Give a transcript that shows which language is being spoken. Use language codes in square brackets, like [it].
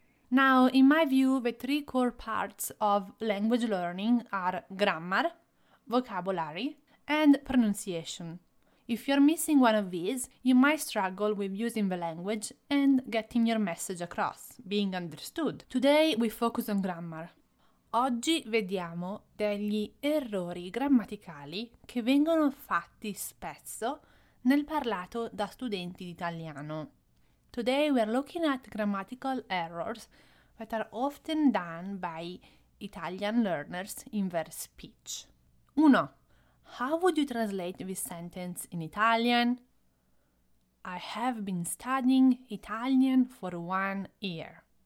[en] Now, in my view, the three core parts of language learning are grammar, vocabulary, and pronunciation. If you're missing one of these, you might struggle with using the language and getting your message across, being understood. Today we focus on grammar. [it] Oggi vediamo degli errori grammaticali che vengono fatti spesso nel parlato da studenti di italiano. [en] Today we are looking at grammatical errors that are often done by Italian learners in their speech. 1. How would you translate this sentence in Italian? I have been studying Italian for 1 year.